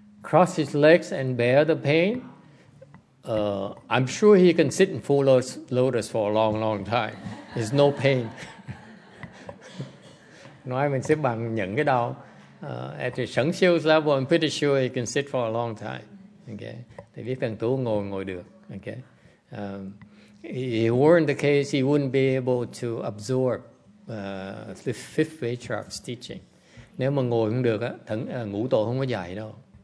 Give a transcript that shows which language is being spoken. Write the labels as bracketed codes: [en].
[en] Cross his legs and bear the pain. I'm sure he can sit in full lotus for a long, long time. There's no pain. [vi] Nói mình sẽ bằng nhận cái đau. [en] At the sáng siêu level, I'm pretty sure he can sit for a long time. Okay. [vi] Thầy biết thằng Tú ngồi được. [en] Okay. If it weren't the case, he wouldn't be able to absorb the fifth way chart's teaching. [vi] Nếu mà ngồi không được, ngũ tổ không có dạy đâu.